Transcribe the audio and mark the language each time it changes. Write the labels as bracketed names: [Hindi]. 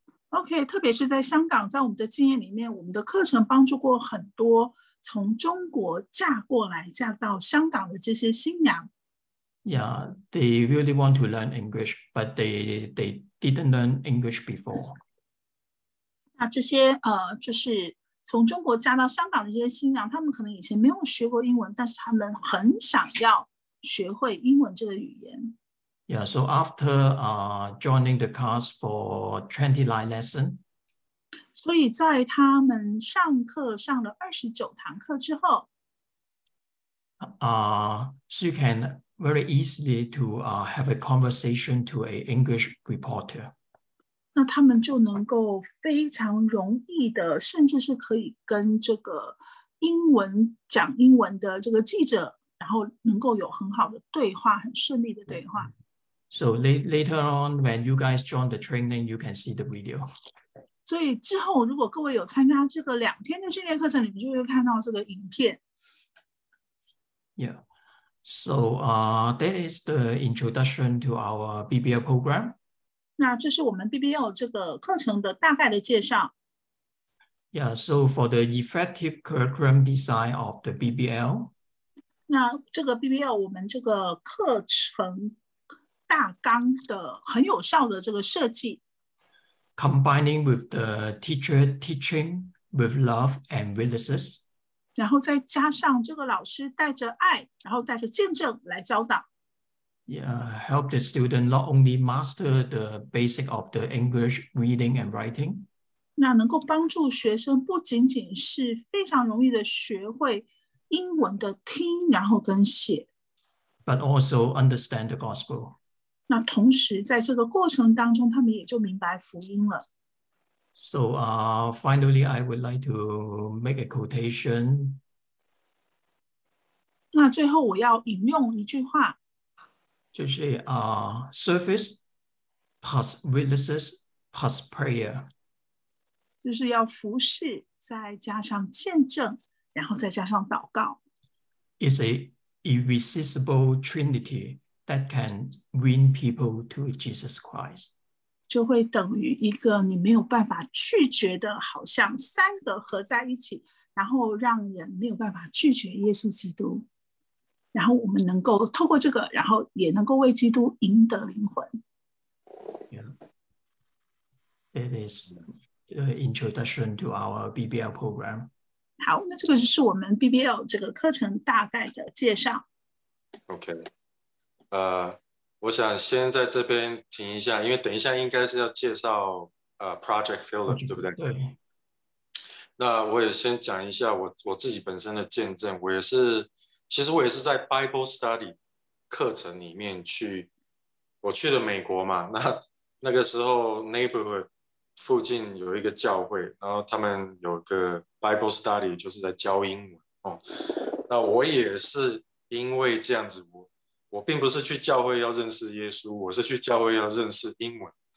[Chinese] OK, 特别是在香港，在我们的经验里面，我们的课程帮助过很多从中国嫁过来、嫁到香港的这些新娘。 [English] Yeah, they really want to learn English, but they didn't learn English before. [Chinese] 那这些就是从中国嫁到香港的这些新娘，他们可能以前没有学过英文，但是他们很想要学会英文这个语言。 [English] Yeah, so after joining the class for 29 lesson, [Chinese] 所以在他们上课上了29堂课之后, [English] she can very easily to have a conversation to an English reporter. [Chinese] 那他们就能够非常容易的，甚至是可以跟这个英文讲英文的这个记者，然后能够有很好的对话，很顺利的对话。 [English] So later on, when you guys join the training, you can see the video. [Chinese] 所以之后如果各位有参加这个两天的训练课程，你们就会看到这个影片。 Yeah. [English] So that is the introduction to our BBL program. [Chinese] 那这是我们 BBL 这个课程的大概的介绍。 [English] Yeah, so for the effective curriculum design of the BBL. [Chinese] 那这个 BBL, 我们这个课程大纲的很有效的这个设计 [English] ，combining with the teacher teaching with love and witnesses， [Chinese] 然后再加上这个老师带着爱，然后带着见证来教导。 [English] Yeah, help the student not only master the basic of the English reading and writing， [Chinese] 那能够帮助学生不仅仅是非常容易的学会英文的听，然后跟写 [English] ，but also understand the gospel。 [Chinese] 那同时在这个过程当中他们也就明白福音了。 [English] So, finally, I would like to make a quotation. [Chinese] 那最后我要引用一句话。就是 [English] service plus witnesses plus prayer. [Chinese] 就是要服事再加上见证然后再加上祷告。 [English] It's an irresistible trinity. That can win people to Jesus Christ. [Chinese] 就会等于一个你没有办法拒绝的，好像三个合在一起，然后让人没有办法拒绝耶稣基督。然后我们能够透过这个，然后也能够为基督赢得灵魂。 Yeah. [English] It is the introduction to our BBL program. [Chinese] 好，那这个就是我们 BBL 这个课程大概的介绍。 Okay. 我想先在这边停一下，因为等一下应该是要介绍Project Filler， 对不对？对。那我也先讲一下 我自己本身的见证，我也是，其实我也是在 Bible Study 课程里面去，我去了美国嘛，那个时候 Neighborhood 附近有一个教会，然后他们有个 Bible Study 就是在教英文，哦，那我也是因为这样子我并不是去教会要认识耶稣，我是去教会要认识英文。